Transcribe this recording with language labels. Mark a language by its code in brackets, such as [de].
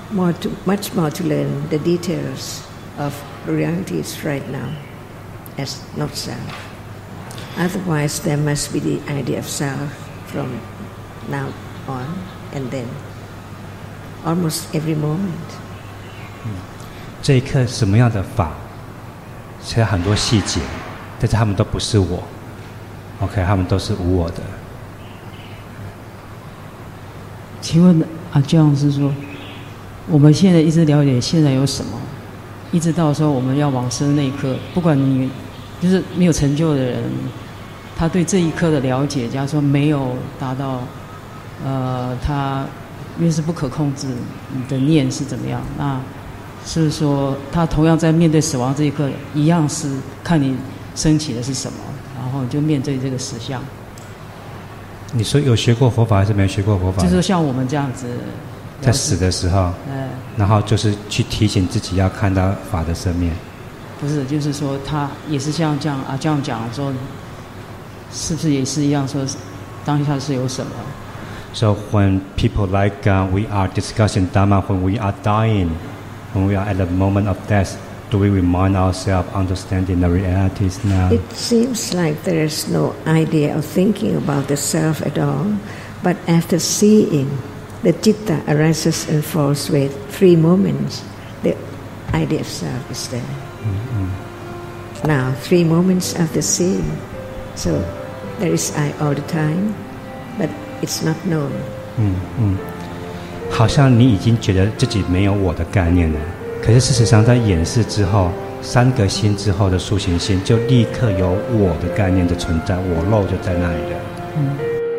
[en] More to, much more to learn the details of realities right now, as not self. Otherwise, there must be the idea of self from now on and then, almost every moment. [zh] 这一刻什么样的法，其实很多细节，但是他们都不是我。 OK， 他们都是无我的。请问阿姜是说，我们现在一直了解现在有什么，一直到说我们要往生那一刻，不管你就是没有成就的人，他对这一刻的了解，假如说没有达到，他因为是不可控制，你的念是怎么样？那是说他同样在面对死亡这一刻，一样是看你升起的是什么，然后就面对这个实相。你说有学过佛法还是没学过佛法？就是像我们这样子，在死的时候，然后就是去提醒自己要看到法的生灭。不是，就是说他也是像这样啊，这样讲说，是不是也是一样说，当下是有什么 [en] ？So when people like we are discussing Dharma, when we are dying, when we are at the moment of death, do we remind ourselves understanding the realities now? It seems like there is no idea of thinking about the self at all, but after seeing, the citta arises and falls with three moments. The idea of self is there. Mm-hmm. Now, three moments after seeing. So, there is I all the time, but it's not known. Mm-hmm. [zh] 好像你已经觉得自己没有我的概念了。可是事实上在演示之后三个心之后的塑形心就立刻有我的概念的存在我肉就在那里了、